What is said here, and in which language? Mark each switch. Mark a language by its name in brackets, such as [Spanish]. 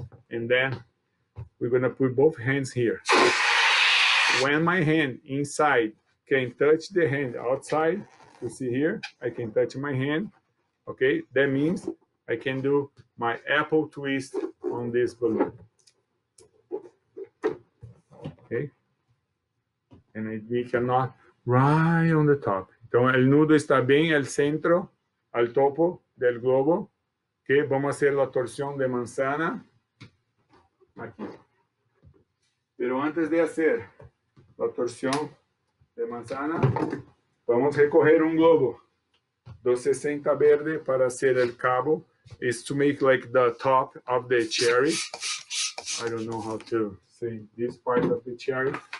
[English] And then we're going to put both hands here. When my hand inside can touch the hand outside, you see here, I can touch my hand. Okay, that means I can do my apple twist on this balloon. Okay, and we cannot right on the top. [Spanish] Então, el nudo está bem al centro, al topo del globo. Okay, vamos a hacer la torsión de manzana. Aquí. Pero antes de hacer la torsión de manzana, vamos a recoger un globo 260 verde para hacer el cabo. [English] Is to make like the top of the cherry. I don't know how to say this part of the cherry.